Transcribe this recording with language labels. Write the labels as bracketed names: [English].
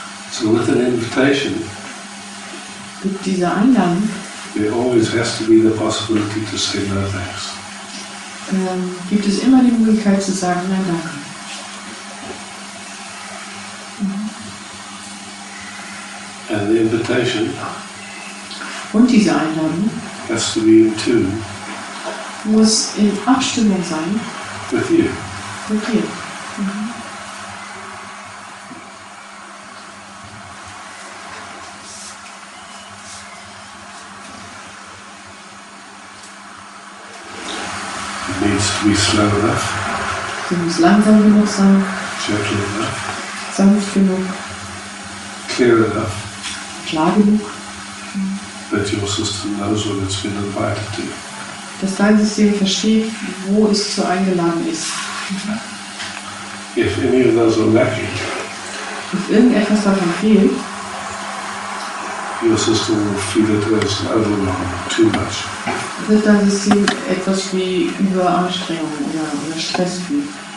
[English] So with an invitation. [German] Mit dieser Einladung. [English] There always has to be the possibility to say no thanks. [German] Gibt es immer die Möglichkeit zu sagen, nein, danke. [English] And the invitation. [German] Und diese Einladung. [English] Has to be in tune. [German] Muss in Abstimmung sein. [English] With you. [German] Mit dir. [English] Be slow enough. [German] Du musst langsam genug sein. [English] Gentle enough. [German] Sanft genug. [English] Clear enough. [German] Klar genug. [English] That your system knows what it's been invited to. [German] Dass dein System versteht, wo es zu eingeladen ist. [English] If any of those are lacking. If [German] irgendetwas davon fehlt. [English] Your system will feel it as an overwhelm, too much. [German] Wird dein System etwas wie Überanstrengung oder Stress fühlen?